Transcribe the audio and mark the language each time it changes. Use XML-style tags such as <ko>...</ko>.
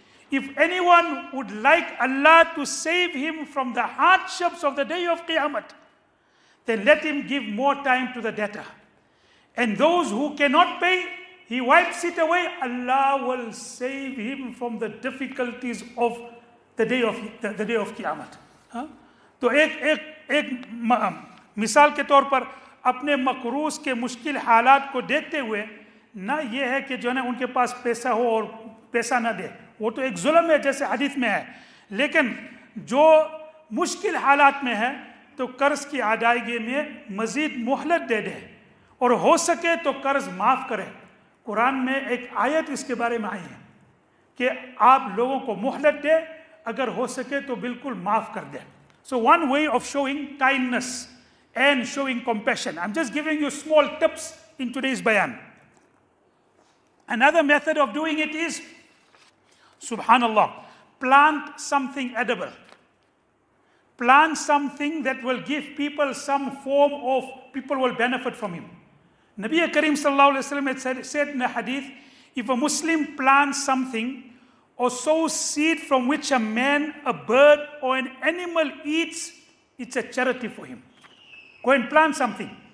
<en>If anyone would like Allah to save him from the hardships of the day of Qiyamah, then let him give more time to the debtor. And those who cannot pay, he wipes it away. Allah will save him from the difficulties of the day of Qiyamah. Huh?</en> <ur>To ek مثال کے طور پر اپنے مقروض کے مشکل حالات کو دیکھتے ہوئے نہ یہ ہے کہ جو ہے ان کے پاس پیسہ ہو اور پیسہ نہ دے، وہ تو ایک ظلم ہے جیسے حدیث میں ہے، لیکن جو مشکل حالات میں ہے تو قرض کی ادائیگی میں مزید مہلت دے دے اور ہو سکے تو قرض معاف کرے۔ قرآن میں ایک آیت اس کے بارے میں آئی ہے کہ آپ لوگوں کو مہلت دے، اگر ہو سکے تو بالکل معاف کر دے۔</ur> <en>So one way of showing kindness and showing compassion, I am just giving you small tips in today's بیان۔ Another method of doing it is, subhanallah, plant something edible. Plant something that will give people some form of, people will benefit from him. Nabi Karim sallallahu alaihi wasallam said in a hadith, if a Muslim plants something or sows seed from which a man, a bird or an animal eats, it's a charity for him. Go and plant something.</en>